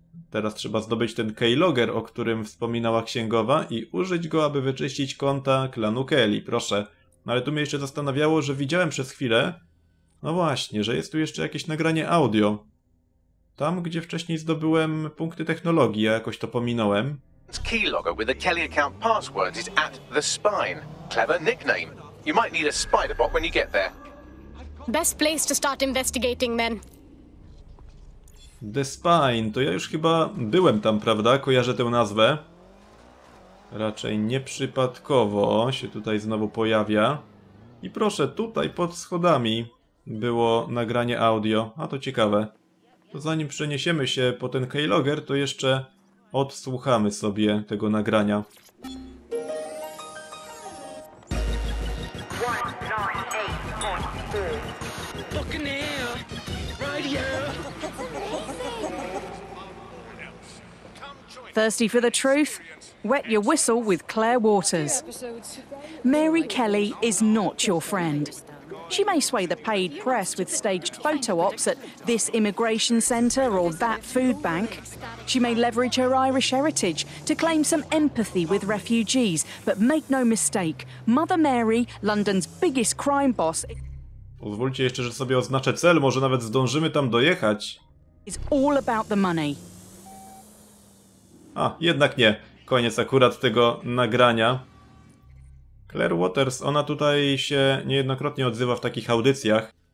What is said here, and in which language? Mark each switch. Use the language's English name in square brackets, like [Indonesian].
[Polish] Teraz trzeba zdobyć ten keylogger, o którym wspominała księgowa, i użyć go, aby wyczyścić konta klanu Kelly. Proszę. Ale tu mnie jeszcze zastanawiało, że widziałem przez chwilę, no właśnie, że jest tu jeszcze jakieś nagranie audio. Tam, gdzie wcześniej zdobyłem punkty technologii, ja jakoś to pominąłem. [English] Keylogger with the Kelly account password is at the spine. Clever nickname. You might need a spider bot when you get there. Best place to start investigating, then. The Spine. [Polish] To ja już chyba byłem tam, prawda? Kojarzę tę nazwę. Raczej nieprzypadkowo się tutaj znowu pojawia. I proszę, tutaj pod schodami było nagranie audio. A to ciekawe. To zanim przeniesiemy się po ten keylogger, to jeszcze odsłuchamy sobie tego nagrania. [English] Thirsty for the truth? Wet your whistle with Claire Waters. Mary Kelly is not your friend. She may sway the paid press with staged photo ops at this immigration center or that food bank. She may leverage her Irish heritage to claim some empathy with refugees, but make no mistake, Mother Mary, London's biggest crime boss. [Polish] Pozwólcie jeszcze, że sobie oznaczę cel, może nawet zdążymy tam dojechać. [English] It's all about the money. [Polish] A, jednak nie. Koniec akurat tego nagrania. Claire Waters, ona tutaj się niejednokrotnie odzywa w takich audycjach.